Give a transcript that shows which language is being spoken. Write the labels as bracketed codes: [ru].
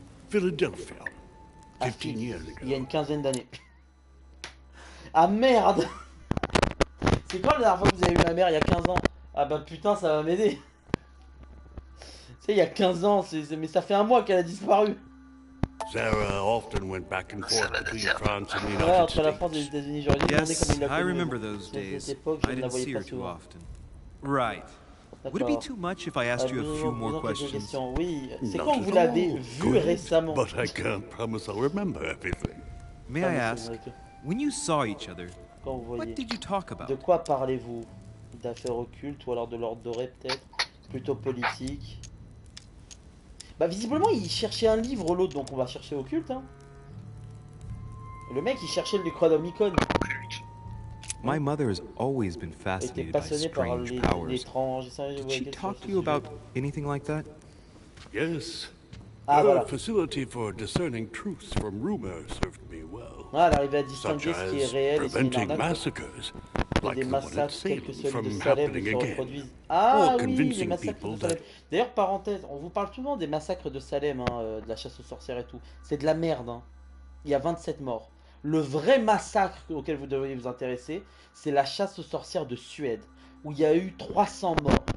[en] Philadelphia. 15 years ago. [fr] Il y a une quinzaine d'années. Ah merde! C'est quand la dernière fois que vous avez vu ma mère? Il y a 15 ans. Ah bah putain, ça va m'aider. Tu sais, il y a 15 ans, mais ça fait un mois qu'elle a disparu. [en] Sarah often went back and forth between France and the United [fr] States. Ouais, entre la France et les États-Unis, j'aurais dû demander comme il l'a connu. [en] I remember those days. [fr] À cette époque, je ne la voyais pas [en] too often. Right. [fr] D'accord. [en] Would it be too much if I asked you a few more questions? [fr] Oui. C'est quand vous l'avez vu récemment? [en] But I can't promise I'll remember everything. May I ask, when you saw each other, what did you talk about? [fr] De quoi parlez-vous? D'affaires occultes ou alors de l'ordre doré peut-être? Plutôt politique. Bah visiblement il cherchait un livre l'autre, donc on va chercher occulte. Hein. Le mec il cherchait le Necronomicon. [en] My mother has always been fascinated by strange powers. Did she talk to you about anything like that? Yes. Ah, her facility for discerning truths from rumor served me well. [fr] Ah, elle arrivait à distinguer ce qui est réel et ce qui est [en] preventing massacres, like the one at Salem, from happening again. [fr] Ah oui, les massacres de Salem. D'ailleurs, parenthèse, on vous parle souvent des massacres de Salem, hein, de la chasse aux sorcières et tout. C'est de la merde. Hein. Il y a 27 morts. Le vrai massacre auquel vous devriez vous intéresser, c'est la chasse aux sorcières de Suède, où il y a eu 300 morts.